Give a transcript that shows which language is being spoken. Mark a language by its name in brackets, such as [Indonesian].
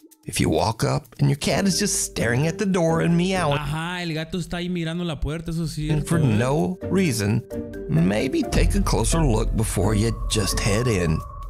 [English] If you walk up and your cat is just staring at the door and meowing... [Spanish] Ajá, el gato está ahí mirando la puerta, eso sí. [English] And for no reason, maybe take a closer look before you just head in.